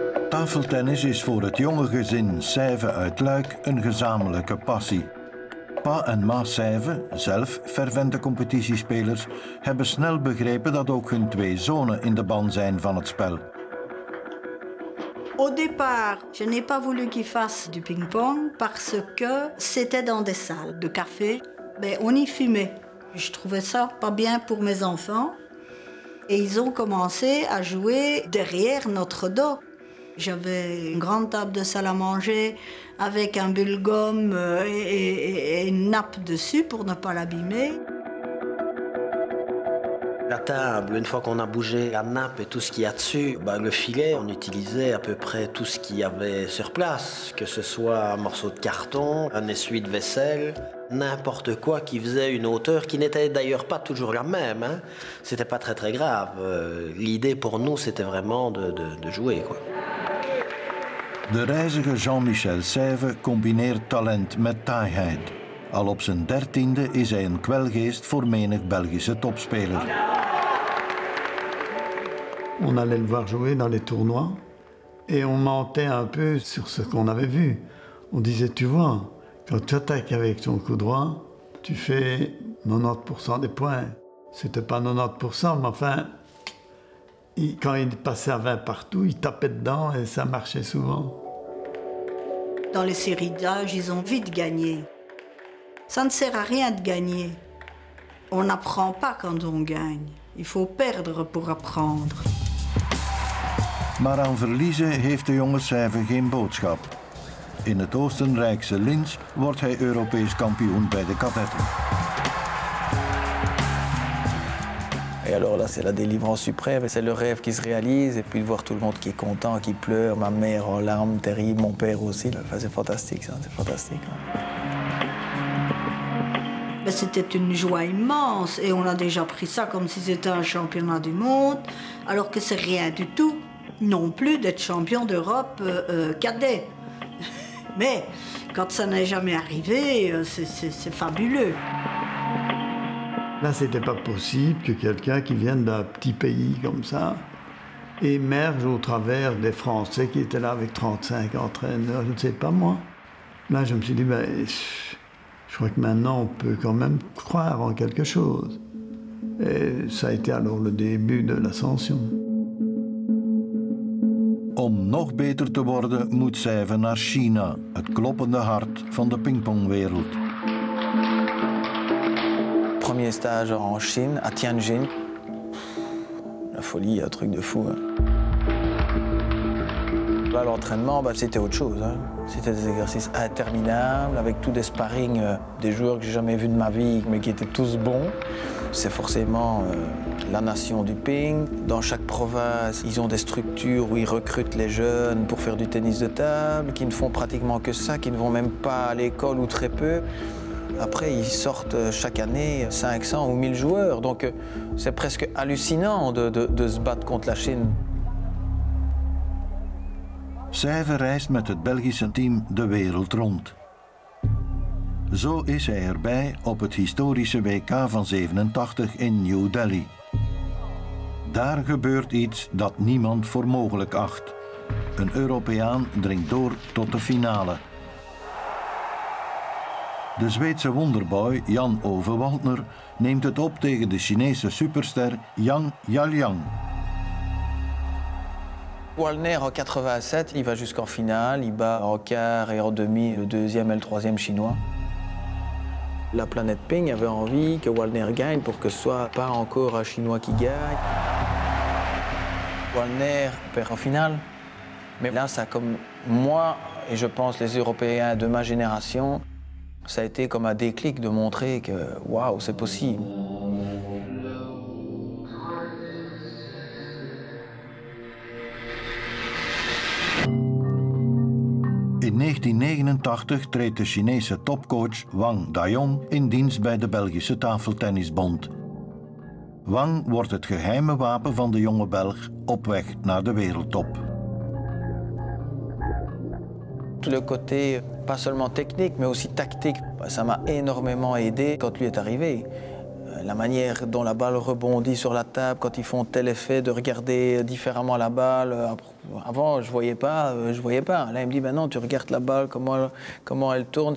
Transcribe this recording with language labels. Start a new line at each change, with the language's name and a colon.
Dutch: Tafeltennis is voor het jonge gezin Sijven uit Luik een gezamenlijke passie. Pa en ma Sijven, zelf fervente competitiespelers, hebben snel begrepen dat ook hun twee zonen in de ban zijn van het spel.
French: Au départ, je n'ai pas voulu qu'ils fassent du ping-pong parce que c'était dans des salles de café, mais on y fumait. Je trouvais ça pas bien pour mes enfants et ils ont commencé à jouer derrière notre dos. J'avais une grande table de salle à manger avec un bulgum et une nappe dessus pour ne pas l'abîmer. La table, une fois qu'on a bougé la nappe et tout ce qu'il y a dessus, ben le filet, on utilisait à peu près tout ce qu'il y avait sur place, que ce soit un morceau de carton, un essuie de vaisselle, n'importe quoi qui faisait une hauteur qui n'était d'ailleurs pas toujours la même. Hein. C'était pas très très grave. L'idée pour nous, c'était vraiment de jouer, quoi.
Dutch: De reizige Jean-Michel Sijven combineert talent met taaiheid. Al op zijn 13e is hij een kwelgeest voor menig Belgische topspeler.
French: On allait le voir jouer dans les tournois et on mentait un peu sur ce qu'on avait vu. On disait, tu vois, quand tu attaques avec ton coup droit, tu fais 90% des points. C'était pas 90%, mais enfin. Quand il passait à 20 partout, il tapait dedans et ça marchait souvent. Dans les séries d'âge, ils ont vite gagné. Ça ne sert à rien de gagner. On n'apprend pas quand on gagne. Il faut perdre pour apprendre.
Dutch: Maar aan verliezen heeft de jonge Sijven geen boodschap. In het Oostenrijkse Linz wordt hij Europees kampioen bij de kadetten.
French: Et alors là, c'est la délivrance suprême, c'est le rêve qui se réalise, et puis de voir tout le monde qui est content, qui pleure, ma mère en larmes, terrible, mon père aussi, enfin, c'est fantastique, ça, c'est fantastique. Mais c'était une joie immense, et on a déjà pris ça comme si c'était un championnat du monde, alors que c'est rien du tout, non plus, d'être champion d'Europe cadet. Mais quand ça n'est jamais arrivé, c'est fabuleux. Là, c'était pas possible que quelqu'un qui vienne d'un petit pays comme ça émerge au travers des Français qui étaient là avec 35 entraîneurs, je ne sais pas moi. Là, je me suis dit, ben, je crois que maintenant, on peut quand même croire en quelque chose. Et ça a été alors le début de l'ascension.
Dutch: Om nog beter te worden, moet Sijven naar China, het kloppende hart van de pingpongwereld.
French: Premier stage en Chine, à Tianjin. La folie, un truc de fou. Hein. Là, l'entraînement, bah, c'était autre chose. Hein. C'était des exercices interminables, avec tout des sparring des joueurs que j'ai jamais vus de ma vie, mais qui étaient tous bons. c'est forcément la nation du ping. Dans chaque province, ils ont des structures où ils recrutent les jeunes pour faire du tennis de table, qui ne font pratiquement que ça, qui ne vont même pas à l'école ou très peu. Après, ils sortent chaque année 500 ou 1000 joueurs. Donc, c'est presque hallucinant de se battre contre la Chine.
Dutch: Sève reist met het Belgische team de wereld rond. Zo is hij erbij op het historische WK van 87 in New Delhi. Daar gebeurt iets dat niemand voor mogelijk acht. Een Europeaan dringt door tot de finale. De Zweedse wonderboy Jan Ove Waldner neemt het op tegen de Chinese superster Yang Jialiang.
French: Waldner en 87, il va jusqu'en finale, il bat en quart et en demi le deuxième et le troisième chinois. La planète Ping avait envie que Waldner gagne pour que ce soit pas encore un chinois qui gagne. Waldner perd en finale. Mais là, ça comme moi et je pense les Européens de ma génération, ça a été comme un déclic de montrer que waouh, c'est possible.
Dutch: In 1989 treedt de Chinese topcoach Wang Dayong in dienst bij de Belgische Tafeltennisbond. Wang wordt het geheime wapen van de jonge Belg op weg naar de wereldtop.
French: Le côté pas seulement technique mais aussi tactique, ça m'a énormément aidé quand lui est arrivé. La manière dont la balle rebondit sur la table, quand ils font tel effet de regarder différemment la balle. Avant, je voyais pas. Là, il me dit, maintenant, tu regardes la balle, comment elle tourne.